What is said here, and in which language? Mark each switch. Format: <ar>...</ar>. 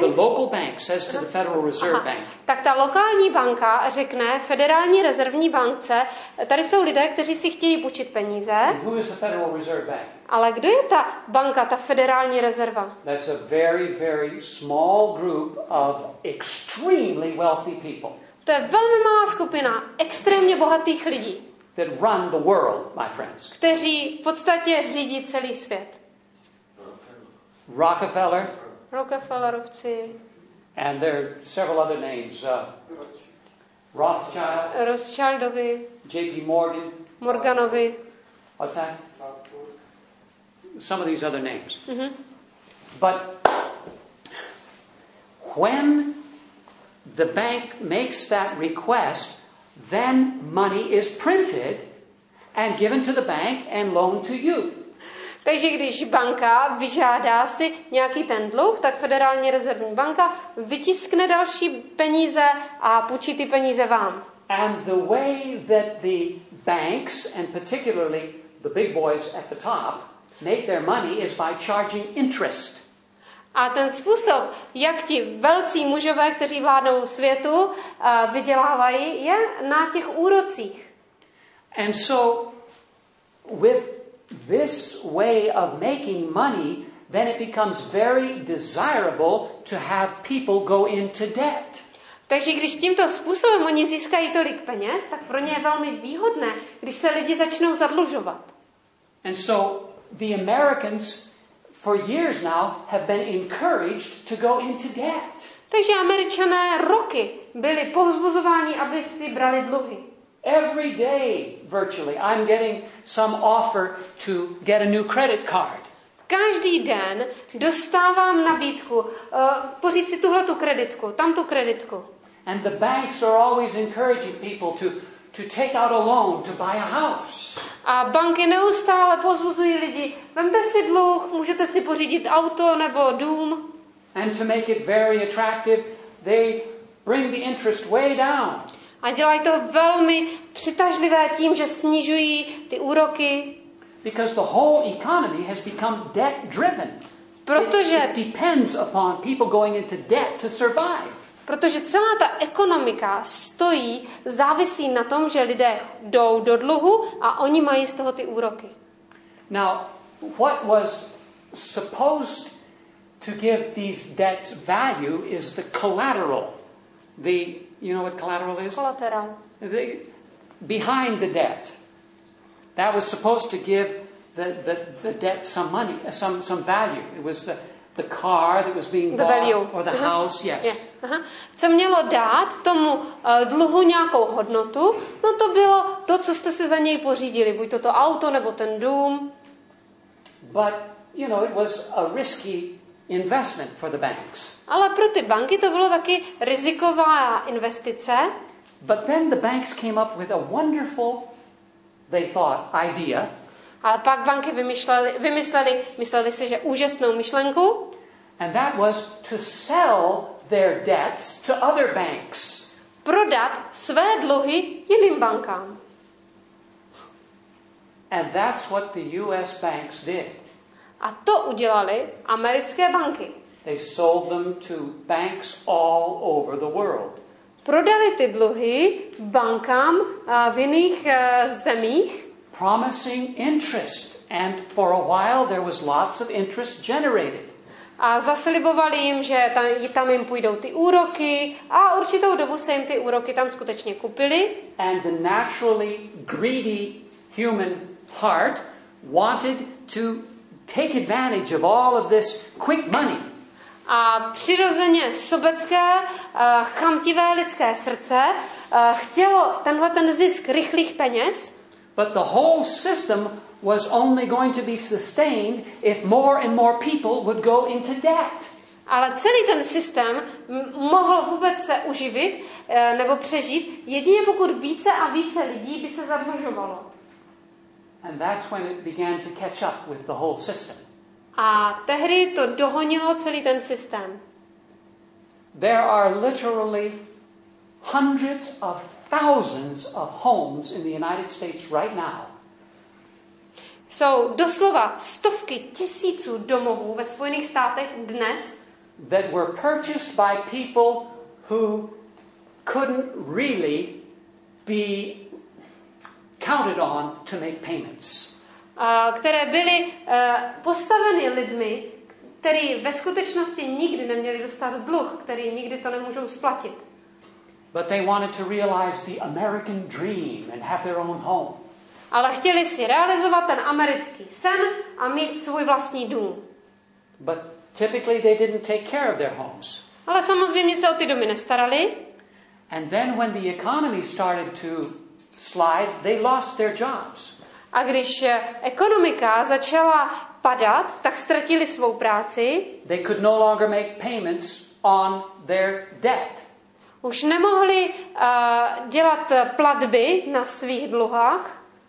<en>The local bank says to the Federal Reserve Bank.</en> <cs>Tak ta lokální banka řekne federální rezervní bance, tady jsou lidé, kteří si chtějí půjčit peníze.</cs> <en>And who is the Federal Reserve Bank?</en> <cs>Ale kdo je ta banka, ta federální rezerva?</cs> <en>That's a very, very small group of extremely wealthy people.</en> <cs>To je velmi malá skupina extrémně bohatých lidí.</cs> <en>That run the world, my friends.</en> <cs>Kteří v podstatě řídí celý svět. Rockefellerovci.</cs> <en>And there are several other names.</en> <cs>Rothschildovi. J.P. Morgan. Morganovi.</cs> <en>What's that? Some of these other names. But when the bank makes that request, then money is printed and given to the bank and loaned to you.</en> <cs>Takže když banka vyžádá si nějaký ten dluh, tak Federální rezervní banka vytiskne další peníze a půjčí ty peníze vám.</cs> <en>And the way that the banks and particularly the big boys at the top make their money is by charging interest.</en> <cs>A ten způsob, jak ti velcí mužové, kteří vládnou světu, vydělávají, je na těch úrocích.</cs> <en>And so with this way of making money, then it becomes very desirable to have people go into debt.</en> <cs>Takže když tímto způsobem oni získají tolik peněz, tak pro ně je velmi výhodné, když se lidi začnou zadlužovat.</cs> <en>And so the Americans for years now have been encouraged to go into debt.</en> <cs>Takže Američané roky byli povzbuzováni, aby si brali dluhy.</cs> <en>Every day virtually I'm getting some offer to get a new credit card.</en> <cs>Každý den dostávám nabídku pořídit si tuhle tu kreditku, tamtu kreditku.</cs> <en>And the banks are always encouraging people to take out a loan to buy a house.</en> <cs>A banky neustále povzbuzují lidi, vemte si dluh, můžete si pořídit auto nebo dům.</cs> <en>And to make it very attractive, they bring the interest way down.</en> <cs>A dělají to velmi přitažlivé tím, že snižují ty úroky.</cs> <en>Because the whole economy has become debt driven.</en> <cs>Protože</cs> <en>it depends upon people going into debt to survive.</en> <cs>Protože celá ta ekonomika stojí, závisí na tom, že lidé jdou do dluhu a oni mají z toho ty úroky.</cs> <en>Now, what was supposed to give these debts value is the collateral. The, you know what collateral is? Collateral. Behind the debt. That was supposed to give the debt some money, some value. It was the car that was being bought, or the house, yes. Yeah. Uh-huh.</en> <cs>Co mělo dát tomu dluhu nějakou hodnotu? No to bylo to, co jste si za něj pořídili, buď to auto nebo ten dům.</cs> <en>But, you know, it was a risky investment for the banks.</en> <cs>Ale pro ty banky to bylo taky riziková investice.</cs> <en>But then the banks came up with a wonderful, they thought, idea.</en> <cs>Ale pak banky mysleli si, že úžasnou myšlenku.</cs> <en>And that was to sell their debts to other banks.</en> <cs>Prodat své dluhy jiným bankám.</cs> <en>And that's what the US banks did.</en> <cs>A to udělali americké banky.</cs> <en>They sold them to banks all over the world.</en> <cs>Prodali ty dluhy bankám v jiných zemích.</cs> <en>Promising interest, and for a while there was lots of interest generated.</en> <cs>A zaslibovali jim, že tam jim půjdou ty úroky, a určitou dobu se jim ty úroky tam skutečně kupily.</cs> <en>And the naturally greedy human heart wanted to take advantage of all of this quick money.</en> <cs>A přirozeně sobecké, chamtivé lidské srdce chtělo tenhle ten zisk rychlých peněz.</cs> <en>But the whole system was only going to be sustained if more and more people would go into debt.</en> <cs>Ale celý ten systém mohl vůbec se uživit nebo přežít jedině pokud více a více lidí by se zadlužovalo.</cs> <en>And that's when it began to catch up with the whole system.</en> <cs>A tehdy to dohonilo celý ten systém.</cs> <en>There are literally hundreds of thousands of homes in the United States right now.</en> <cs>Jsou doslova stovky tisíců domovů ve Spojených státech dnes.</cs> <en>That were purchased by people who couldn't really be counted on to make payments.</en> <cs>Které byly postaveny lidmi, kteří ve skutečnosti nikdy neměli dostat dluh, který nikdy to nemůžou splatit.</cs> <en>But they wanted to realize the American dream and have their own home.</en> <cs>Ale chtěli si realizovat ten americký sen a mít svůj vlastní dům.</cs> <en>But typically they didn't take care of their homes.</en> <cs>Ale samozřejmě se o ty domy nestarali.</cs> <en>And then when the economy started to slide, they lost their jobs.</en> <cs>A když ekonomika začala padat, tak ztratili svou práci.</cs> <en>They could no longer make payments on their debt.</en> <cs>Už nemohli dělat platby na svých dluhách.</cs>